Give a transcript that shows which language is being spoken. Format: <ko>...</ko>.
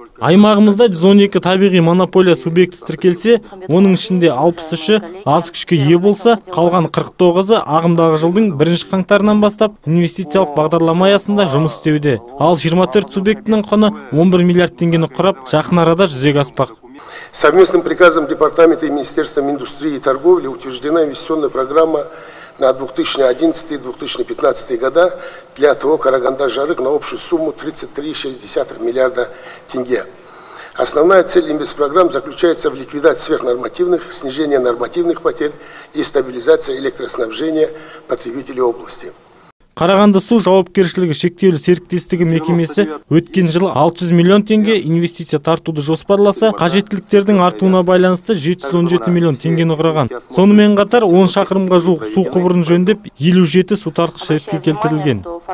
<kk>Аймағымызда 112 табиғи монополия субъекті тіркелсе, оның ішінде 63-і аз күшке ие болса, қалған 49-ы ағымдағы жылдың 1 қаңтарынан бастап инвестициялық бағдарлама аясында жұмыс істеуде. Ал 24 субъектінің құны 11 миллиард теңгені құрап, жақын арада жүзеге аспақ.</kk> <ru>Совместным приказом департамента и Министерством индустрии и торговли утверждена инвестиционная программа на 2011-2015 года для ТО «Караганда-Жарык» на общую сумму 33,6 миллиарда тенге. Основная цель инвестпрограмм заключается в ликвидации сверхнормативных, снижении нормативных потерь и стабилизации электроснабжения потребителей области.</ru> <kk>Қарағанды су жауапкершілігі шектеулі серіктестігі мекемесі өткен жылы 600 миллион тенге инвестиция тартуды жоспарласа, қажеттіліктердің артуына байланысты 717 миллион тенгені құраған. Сонымен қатар 10 шақырымға жуық су құбырын жөндеп, 57 су тартқыш ретке келтірілген.</kk>